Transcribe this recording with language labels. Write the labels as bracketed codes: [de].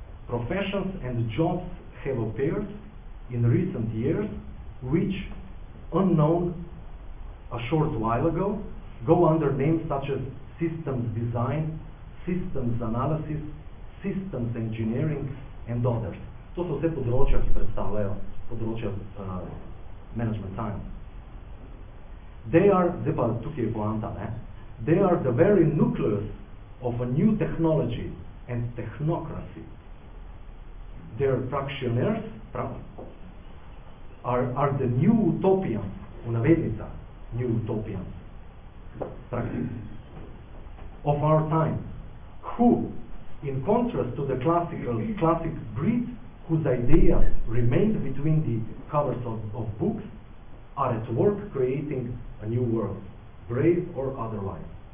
[en] Professions and jobs have appeared in recent years, which, unknown a short while ago, go under names such as systems design, systems analysis, systems engineering, and others. [sl] To so vse področja, ki predstavljajo področja management science. [en] They are, [sl] zdaj pa tukaj je poanta, ne? [en] They are the very nucleus of a new technology and technocracy. Their fractionaires are the new utopians, [sl] v navednicah, [en] new utopians, of our time, who, in contrast to the classic breed, whose ideas remained between the covers of books, are at work creating a new world, brave or otherwise.